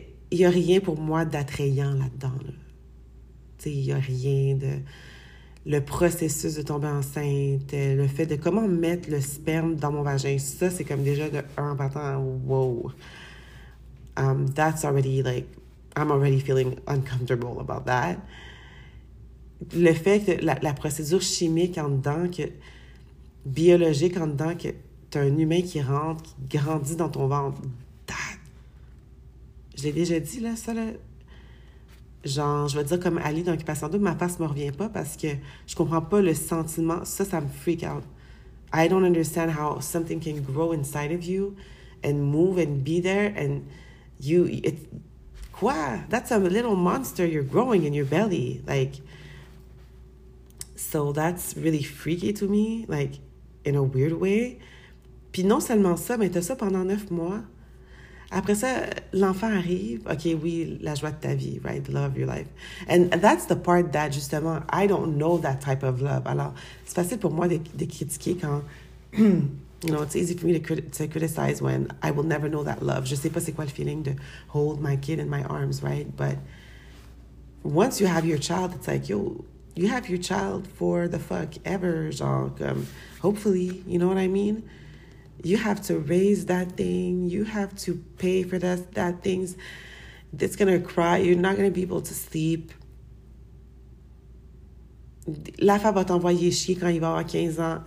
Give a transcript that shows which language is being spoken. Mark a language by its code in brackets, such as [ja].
[fr] Il y a rien pour moi d'attrayant là-dedans. Là. T'sais, il y a rien de. Le processus de tomber enceinte, le fait de comment mettre le sperme dans mon vagin, ça, c'est comme déjà de un partant, wow. [en] That's already like, I'm already feeling uncomfortable about that. [fr] Le fait que la procédure chimique en dedans, que biologique en dedans, que t'as un humain qui rentre, qui grandit dans ton ventre. Je l'ai déjà dit, là, ça, là. Genre, je vais dire comme aller dans l'occupation double, ma face me revient pas parce que je comprends pas le sentiment. Ça me freak out. [en] I don't understand how something can grow inside of you and move and be there and you... It, quoi? That's a little monster you're growing in your belly. Like, so that's really freaky to me, like, in a weird way. [fr] Puis non seulement ça, mais t'as ça pendant 9 mois. Après ça, l'enfant arrive. OK, oui, la joie de ta vie, right? [en] The love of your life. And that's the part that, justement, I don't know that type of love. [fr] Alors, c'est facile pour moi de critiquer quand... [en] You know, it's easy for me to criticize when I will never know that love. [fr] Je sais pas c'est quoi le feeling [en] to hold my kid in my arms, right? But once you have your child, it's like, yo, you have your child for the fuck ever, genre, comme, hopefully, you know what I mean? You have to raise that thing. You have to pay for that things. It's going to cry. You're not going to be able to sleep. [fr] La femme va t'envoyer chier quand il va avoir 15 ans.